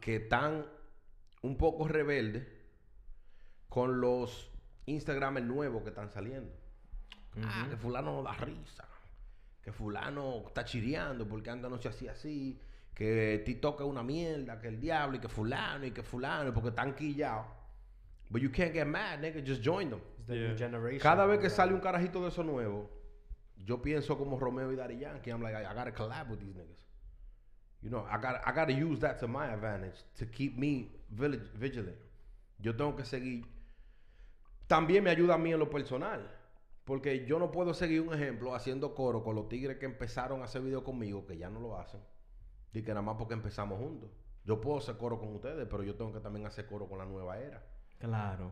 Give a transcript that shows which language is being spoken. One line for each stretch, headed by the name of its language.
Spanish: Que están un poco rebeldes con los Instagramers nuevos que están saliendo. Uh-huh. Ah, que fulano no da risa. que fulano está chireando porque anda no sé así, así, que TikTok es una mierda, que el diablo, y que fulano, porque están quillados.
English: But you can't get mad, nigga, just join them. It's the new generation.
Spanish: Cada vez que sale un carajito de eso nuevo, yo pienso como Romeo y Daddy Yankee.
English: I'm like, I gotta collab with these niggas. You know, I gotta use that to my advantage to keep me vigilant.
Spanish: Yo tengo que seguir. También me ayuda a mí en lo personal. Porque yo no puedo seguir un ejemplo haciendo coro con los tigres que empezaron a hacer video conmigo, que ya no lo hacen. Y que nada más porque empezamos juntos. Yo puedo hacer coro con ustedes, pero yo tengo que también hacer coro con la nueva era. Claro.